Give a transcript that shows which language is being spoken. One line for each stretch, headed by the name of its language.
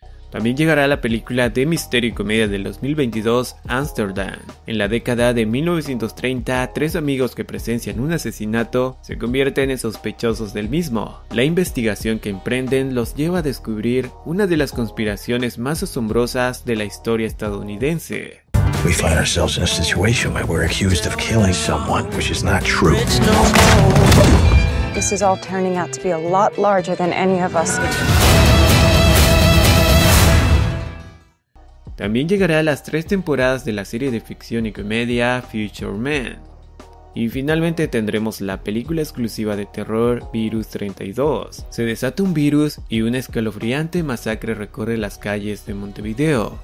Spanish: También llegará la película de misterio y comedia del 2022, Amsterdam. En la década de 1930, tres amigos que presencian un asesinato se convierten en sospechosos del mismo. La investigación que emprenden los lleva a descubrir una de las conspiraciones más asombrosas de la historia estadounidense.
English: We find ourselves in a situation where we're accused of killing someone, which is not true. This is all turning out to be a lot larger than any of us.
Spanish: También llegará a las tres temporadas de la serie de ficción y comedia Future Man. Y finalmente tendremos la película exclusiva de terror Virus 32. Se desata un virus y una escalofriante masacre recorre las calles de Montevideo.